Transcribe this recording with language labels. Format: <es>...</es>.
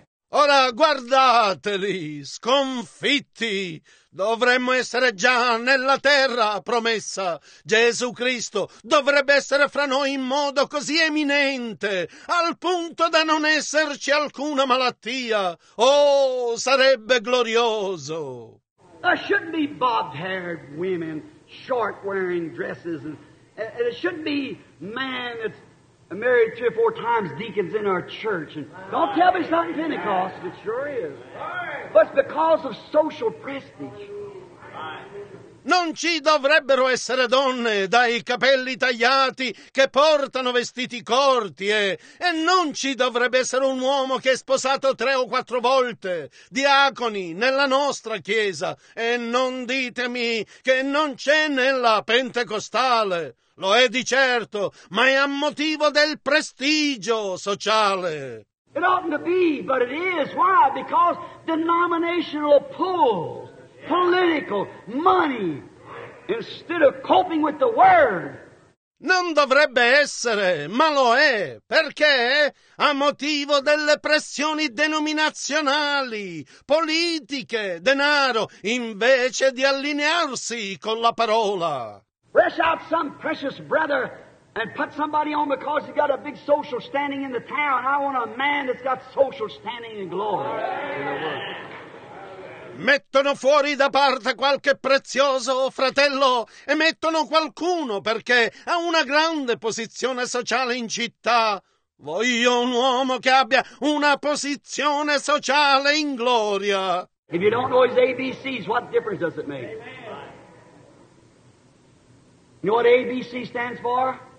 <it>Ora guardateli, sconfitti. Dovremmo essere già nella terra promessa. Gesù Cristo dovrebbe essere fra noi in modo così eminente, al punto da non esserci alcuna malattia. Oh, sarebbe glorioso!</it> <en>There shouldn't be bobbed-haired women, short-wearing dresses, and it shouldn't be man that's married 3 or 4 times deacons in our church. And don't tell me it's not in Pentecost. It sure is. But it's because of social prestige.</en> <it>Non ci dovrebbero essere donne dai capelli tagliati che portano vestiti corti e non ci dovrebbe essere un uomo che è sposato 3 o 4 volte, diaconi nella nostra chiesa, e non ditemi che non c'è nella pentecostale. Lo è di certo, ma è a motivo del prestigio sociale.</it> <en>It oughtn't to be, but it is. Why? Because denominational pulls, political, money, instead of coping with the word.</en> <it>Non dovrebbe essere, ma lo è. Perché? A motivo delle pressioni denominazionali, politiche, denaro, invece di allinearsi con la parola.</it> <en>Rush out some precious brother and put somebody on because he's got a big social standing in the town. I want a man that's got social standing and glory in the world.</en> <it>Mettono fuori da parte qualche prezioso fratello e mettono qualcuno perché ha una grande posizione sociale in città. Voglio un uomo che abbia una posizione sociale in gloria.</it> <en>If you don't know his ABCs, what difference does it make? You know what ABC stands for?</en>